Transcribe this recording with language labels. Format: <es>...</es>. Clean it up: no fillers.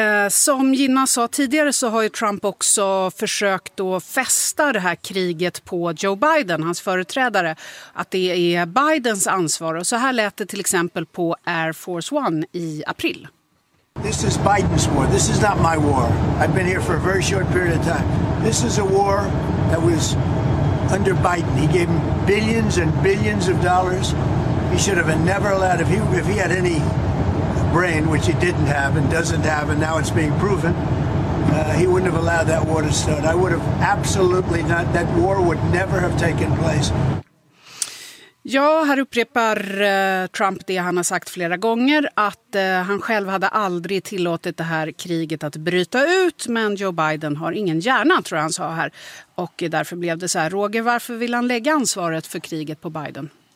<sv>Som Gina sa tidigare så har ju Trump också försökt att fästa det här kriget på Joe Biden, hans företrädare, att det är Bidens ansvar. Och så här lät det till exempel på Air Force One i april.</sv> <en>This is Biden's war. This is not my war. I've been here for a very short period of time. This is a war that was under Biden. He gave him billions and billions of dollars. He should have never allowed, if he had any brain, which he didn't have and doesn't have, and now it's being proven, he wouldn't have allowed that war to start. I would have absolutely not, that war would never have taken place.</en> <sv>Ja, här upprepar Trump det han har sagt flera gånger, att han själv hade aldrig tillåtit det här kriget att bryta ut, men Joe Biden har ingen hjärna, tror han sa här. Och därför blev det så här. Roger, varför vill han lägga ansvaret för kriget på Biden?</sv>